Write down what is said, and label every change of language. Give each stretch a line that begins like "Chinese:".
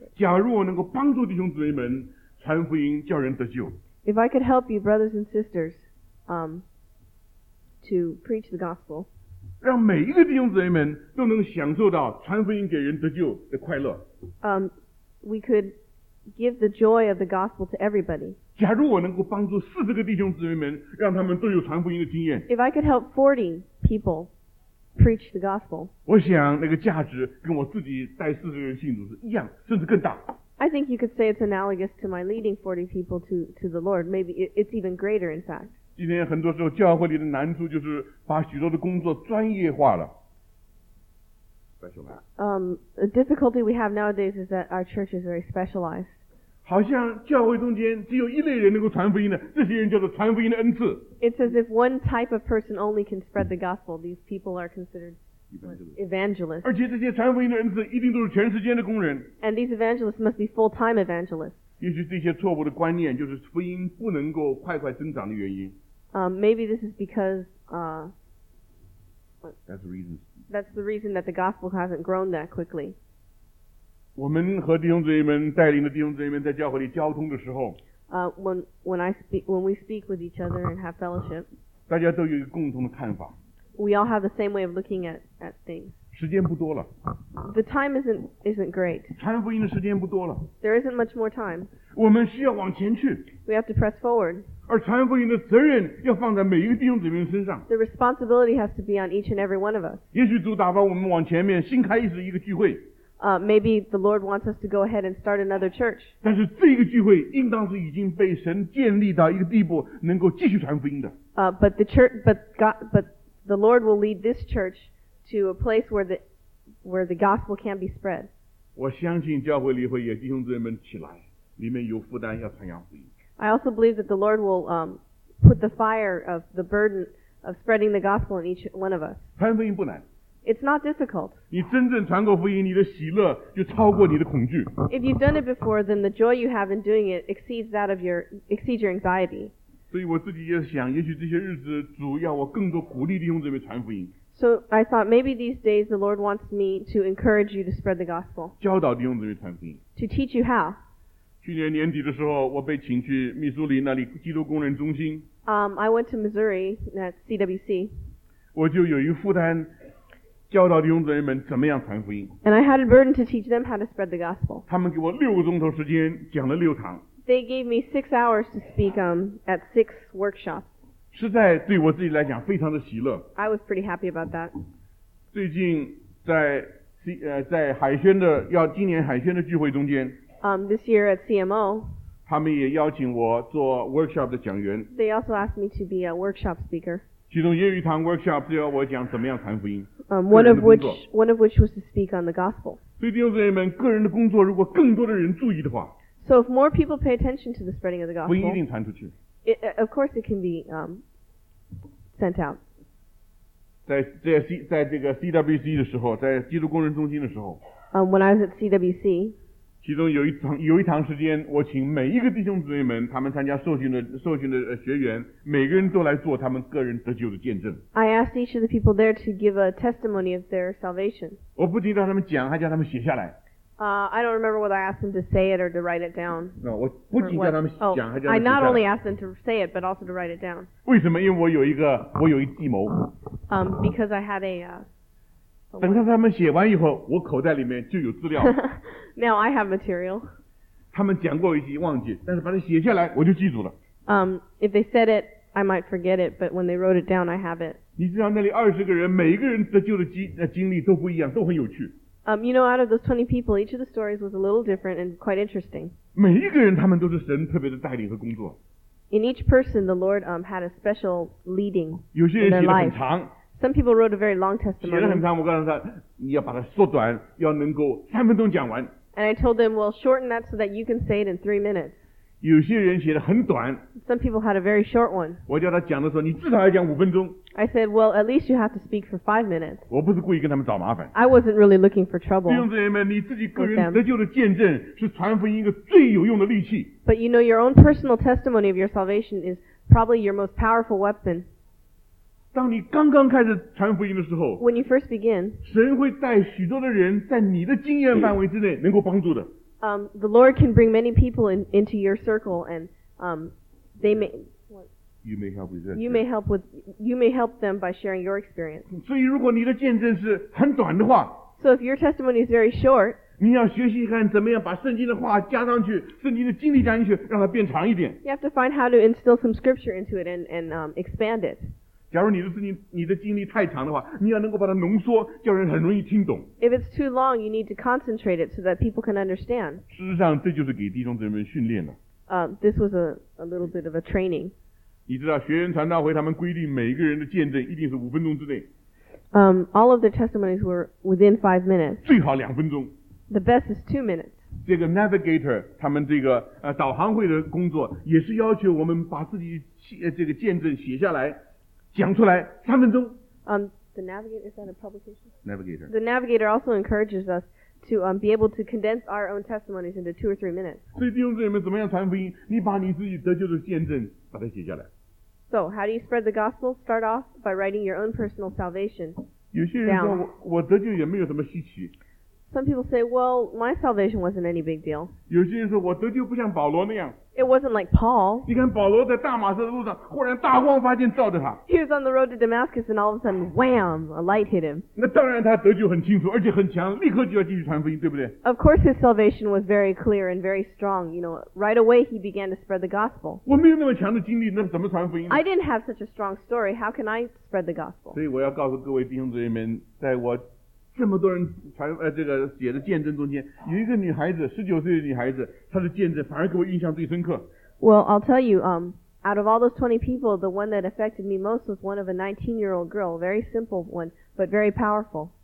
Chinese: 假如我能够帮助弟兄姊妹们传福音，叫人得救。
English: If I could help you, brothers and sisters, to preach the gospel,
Chinese: 让每一个弟兄姊妹们都能享受到传福音给人得救的快乐。
English: We could give the joy of the gospel to everybody.
Chinese: 假如我能够帮助40个弟兄姊妹们，让他们都有传福音的经验。
English: If I could help 40 people preach the gospel,
Chinese: 我想那个价值跟我自己带40个人信主是一样，甚至更大。
English: I think you could say it's analogous to my leading 40 people to the Lord. Maybe it's even greater, in fact.
Chinese: 今天很多时候教会里的难处就是把许多的工作专业化了。
English: The difficulty we have nowadays is that our church is very specialized.
Chinese: 好像教会中间只有一类人能够传福音的，这些人叫做传福音的恩赐。
English: It's as if one type of person only can spread the gospel. These people are considered evangelists.
Chinese: 而且这些传福音的恩赐一定都是全时间的工人。
English: And these evangelists must be full-time evangelists.
Chinese: 也许这些错误的观念就是福音不能够快快增长的原因。
English: Maybe this is because That's the reason that the gospel hasn't grown that quickly.
Chinese: 我们和弟兄姊妹们带领的弟兄姊妹们在教会里交通的时候
English: when we speak with each other and have fellowship,
Chinese: 大家都有一个共同的看法。
English: We all have the same way of looking at things.
Chinese: 时间不多了。
English: The time isn't great.
Chinese: 传福音的时间不多了。
English: There isn't much more time.
Chinese: 我们需要往前去。
English: We have to press forward.
Chinese: 而传福音的责任要放在每一个弟兄姊妹身上。
English: The responsibility has to be on each and every one of us.
Chinese: 也许主打发我们往前面新开始一个聚会。
English: Maybe the Lord wants us to go ahead and start another church.
Chinese: 但是这个聚会应当是已经被神建立到一个地步能够继续传福音的。
English: But the Lord will lead this church to a place where the gospel can be spread.
Chinese: 我相信教会里会有弟兄姊妹们起来，里面有负担要传扬福音。
English: I also believe that the Lord will put the fire of the burden of spreading the gospel in each one of us.
Chinese: 传福音不难。
English: It's not difficult.
Chinese: 你真正传过福音，你的喜乐就超过你的恐惧。
English: If you've done it before, then the joy you have in doing it exceeds your anxiety.
Chinese: 所以我自己也想，也许这些日子主要我更多鼓励弟兄姊妹传福音。
English: So I thought maybe these days the Lord wants me to encourage you to spread the gospel.
Chinese: 教导弟兄姊妹传福音。
English: To teach you how.
Chinese: 去年年底的时候，我被请去密苏里那里基督工人中心。
English: I went to Missouri at CWC.
Chinese: 我就有一负担，教导弟兄姊妹们怎么样传福音。
English: And I had a burden to teach them how to spread the gospel.
Chinese: 他们给我六个钟头时间讲了六堂。
English: They gave me 6 hours to speak at 6 workshops.
Chinese: 实在对我自己来讲非常的喜乐。
English: I was pretty happy about that.
Chinese: 最近在海宣的要今年海宣的聚会中间。
English: This year at CMO.
Chinese: 他们也邀请我做 workshop 的讲员。
English: They also asked me to be a workshop speaker.
Chinese: 其中也有一堂 workshop 是要我讲怎么样传福音。
English: One of which was to speak on the gospel.
Chinese: 所以弟兄姊妹们，个人的工作如果更多的人注意的话。
English: So if more people pay attention to the spreading of the gospel,
Chinese: 福音一定传出去。
English: Of course, it can be sent out.
Chinese: 在这个 CWC 的时候，在基督工人中心的时候。
English: When I was at CWC,
Chinese: 其中有一堂时间，我请每一个弟兄姊妹们，他们参加受训的学员，每个人都来做他们个人得救的见证。
English: I asked each of the people there to give a testimony of their salvation.
Chinese: 我不仅让他们讲，还叫他们写下来。
English: I don't remember whether I asked them to say it or to write it down. No,
Chinese: 我不仅叫他们讲，还叫他们
English: I not only asked them to say it, but also to write it down.
Chinese: 为什么？因为我有一计谋。
English: Because I had a.
Chinese: 等到他们写完以后，我口袋里面就有资料。
English: Now I have material.
Chinese: 他们讲过一些忘记，但是把它写下来，我就记住了。
English: If they said it, I might forget it, but when they wrote it down, I have it.
Chinese: 你知道那里20个人，每一个人得救的经历都不一样，都很有趣。
English: You know, out of those 20 people, each of the stories was a little different and quite interesting.
Chinese: 每一个人他们都是神特别的带领和工作。
English: In each person, the Lord had a special leading in their life.
Chinese: 有些人写得很长。
English: Some people wrote a very long testimony.
Chinese: 写得很长，我告诉他，你要把它缩短，要能够3分钟讲完。
English: And I told them, well, shorten that so that you can say it in 3 minutes.
Chinese: 有些人写得很短。
English: Some people had a very short one.
Chinese: 我叫他讲的时候，你至少要讲5分钟。
English: I said, well, at least you have to speak for 5 minutes.
Chinese: 我不是故意跟他们找麻烦。
English: I wasn't really looking for trouble.
Chinese: 弟兄姊妹们，你自己个人得救的见证是传福音一个最有用的利器。
English: But you know, your own personal testimony of your salvation is probably your most powerful weapon.
Chinese: 当你刚刚开始传福音的时候，
English: when you first begin,
Chinese: 神会带许多的人在你的经验范围之内能够帮助的。
English: The Lord can bring many people into your circle, and they may. You may help them by sharing your experience.
Chinese: 所以如果你的见证是很短的话，
English: so if your testimony is very short,
Chinese: 你要学习看怎么样把圣经的话加上去，圣经的经历加进去，让它变长一点。
English: You have to find how to instill some scripture into it and expand it.
Chinese: 假如你的经历太长的话，你要能够把它浓缩，叫人很容易听懂。
English: If it's too long, you need to concentrate it so that people can understand.
Chinese: 事实上，这就是给弟兄姊妹训练了。
English: This was a little bit of a training.
Chinese: 你知道学员传道会他们规定每一个人的见证一定是5分钟之内。
English: All of their testimonies were within 5 minutes.
Chinese: 最好2分钟。
English: The best is 2 minutes.
Chinese: 这个 navigator 他们这个导航会的工作也是要求我们把自己这个见证写下来讲出来三分钟。
English: The navigator, is that a publication? Navigator. The navigator also encourages us to be able to condense our own testimonies into 2 or 3 minutes.
Chinese: 所以弟兄姊妹们怎么样传福音？你把你自己得救的见证把它写下来。
English: So how do you spread the gospel? Start off by writing your own personal salvation.
Chinese: 有些人说我得救也没有什么稀奇。
English: Some people say, well, my salvation wasn't any big deal.
Chinese: 有些人说我得救不像保罗那样。
English: It wasn't like Paul.
Chinese: 你看保罗在大马士的路上忽然大光发现照着他。
English: He was on the road to Damascus and all of a sudden, wham, a light hit him.
Chinese: 那当然他得救很清楚而且很强立刻就要继续传福音对不对
English: Of course his salvation was very clear and very strong. You know, right away he began to spread the gospel.
Chinese: 我没有那么强的经历那怎么传福音
English: I didn't have such a strong story. How can I spread the gospel?
Chinese: 所以我要告诉各位弟兄姊妹们在我这么多人传这个写的见证中间，有一个女孩子，19岁的女孩子，她的见证反而给我印象最深刻。
English: Well, I'll tell you, out of all those 20 people, the one that affected me most was one of a 19-year-old girl, very simple one, but very powerful.